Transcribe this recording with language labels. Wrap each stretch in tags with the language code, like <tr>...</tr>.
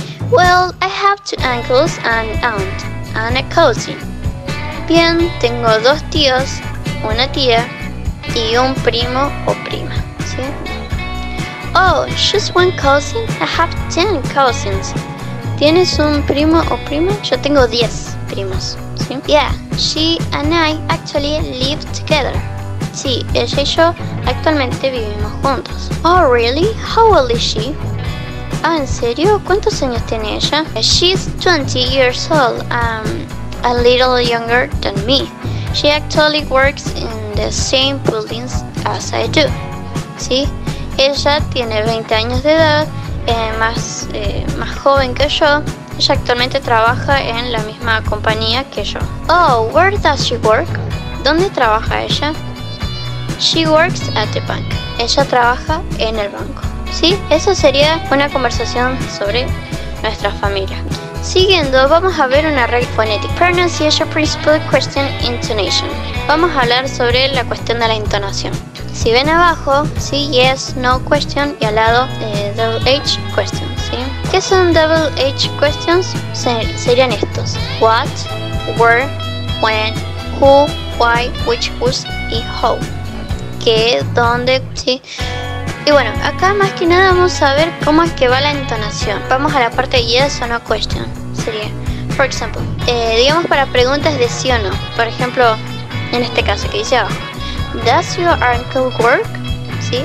<en>Well, I have two uncles and aunt and a cousin.</en> <es>Bien, tengo dos tíos, una tía y un primo o prima, ¿sí?</es> <en>Oh, just one cousin? I have 10 cousins.</en> <es>¿Tienes un primo o prima? Yo tengo 10 primos, ¿sí?</es> <en>Yeah, she and I actually live together.</en> <es>Sí, ella y yo actualmente vivimos juntos. Oh, really? How old is she? Ah, ¿en serio? ¿Cuántos años tiene ella?</es> <en>She's 20 years old, a little younger than me. She actually works in the same buildings as I do.</en> <es>¿Sí? Ella tiene 20 años de edad, más joven que yo. Ella actualmente trabaja en la misma compañía que yo.</es> <en>Oh, where does she work? ¿Dónde trabaja ella?</en> <es>She works at the bank. Ella trabaja en el banco. ¿Sí? Eso sería una conversación sobre nuestra familia. Siguiendo, vamos a ver una regla fonética. Pronunciation principle question intonation. Vamos a hablar sobre la cuestión de la entonación. Si ven abajo, sí, yes, no question, y al lado, double H question, ¿sí? ¿Qué son double H questions? Serían estos.</es> <en>What, where, when, who, why, which, whose, y how.</en> <es>¿Qué, dónde, sí? Y bueno, acá más que nada vamos a ver cómo es que va la entonación. Vamos a la parte de yes o no question. Sería, por ejemplo, digamos para preguntas de sí o no. Por ejemplo, en este caso que dice abajo. Does your uncle work? ¿Sí?</es>